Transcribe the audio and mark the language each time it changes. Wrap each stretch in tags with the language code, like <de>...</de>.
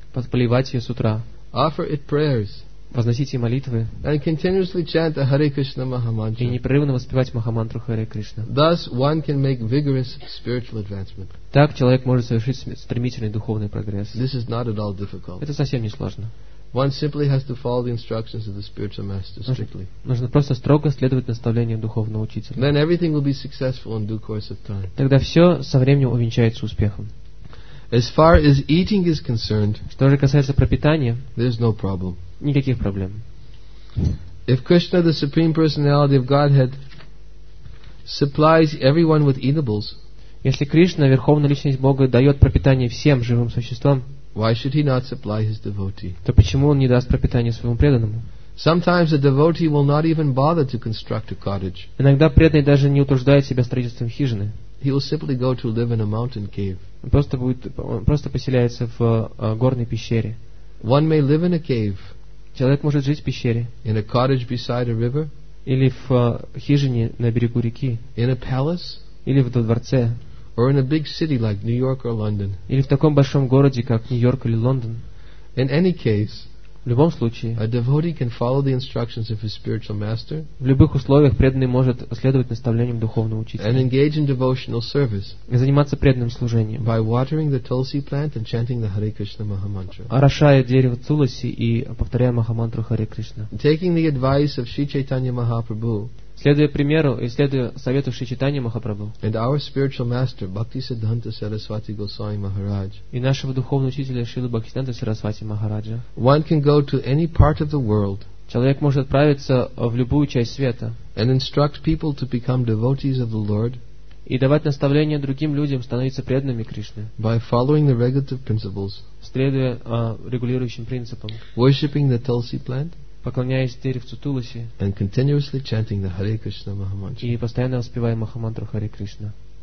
<ru>Поливать ее с утра.</ru> <en>Offer it prayers.</en> <ru>Возносить ей молитвы.</ru> <en>And continuously chant the Hare Krishna Mahamantra.</en> <ru>И непрерывно воспевать Махамантру Харе Кришна.</ru> <en>Thus one can make vigorous spiritual advancement.</en> <ru>Так человек может совершить стремительный духовный прогресс.</ru> <en>This is not at all difficult.</en> <ru>Это совсем не сложно.</ru> <en>One simply has to follow the instructions of the spiritual master strictly.</en> <ru>Нужно просто строго следовать наставлениям духовного учителя.</ru> <en>Then everything will be successful in due course of time.</en> <ru>Тогда все со временем увенчается успехом.</ru> <en>As far as eating is concerned,</en> <ru>что же касается пропитания,</ru> <en>there's no problem.</en> <ru>Никаких проблем.</ru> <en>If Krishna, the supreme personality of Godhead, supplies everyone with eatables,</en> <ru>если Кришна, верховная личность Бога, дает пропитание всем живым существам,</ru> <en>why should he not supply his devotee?</en> <ru>То почему он не даст пропитание своему преданному?</ru> <en>Sometimes a devotee will not even bother to construct a cottage.</en> <ru>Иногда преданный даже не утруждает себя строительством хижины.</ru> <en>He will simply go to live in a mountain cave.</en> <ru>Он просто поселяется в горной пещере.</ru> <en>One may live in a cave.</en> <ru>Человек может жить в пещере.</ru> <en>In a cottage beside a river.</en> <ru>Или в хижине на берегу реки.</ru> <en>In a palace.</en> <ru>Или в дворце.</ru> <en>Or in a big city like New York or London.</en> <ru>Или в таком большом городе, как Нью-Йорк или Лондон.</ru> <en>In any case,</en> <ru>в любом случае,</ru> <en>a devotee can follow the instructions of his spiritual master.</en> <ru>В любых условиях преданный может следовать наставлениям духовного учителя.</ru> <en>And engage in devotional service.</en> <ru>И заниматься преданным служением.</ru> <en>By watering the tulsi plant and chanting the Hare Krishna Mahamantra.</en> <ru>Орошая дерево тулоси и повторяя Махамантру Харе Кришна.</ru> <en>Taking the advice of Sri Chaitanya Mahaprabhu.</en> <ru>Следуя примеру и следуя совету Шри Чайтанья Махапрабху.</ru> <en>And our spiritual master, Bhaktisiddhanta Sarasvati Goswami Maharaj.</en> <ru>И нашего духовного учителя Шрилы Бхактисиддханта Сарасвати Махараджа.</ru> <en>One can go to any part of the world.</en> <ru>Человек может отправиться в любую часть света.</ru> <en>And instruct people to become devotees of the Lord.</en> <ru>И давать наставления другим людям становиться преданными Кришне.</ru> <en>By following the regulative principles.</en> <ru>Следуя регулирующим принципам.</ru> <en>Worshipping the tulsi plant.</en> <ru>Поклоняясь деревцу тулоси,</ru> <en>and continuously chanting the Hare Krishna Mahamantra.</en> <ru>И постоянно воспевая Махамантру Харе Кришна.</ru>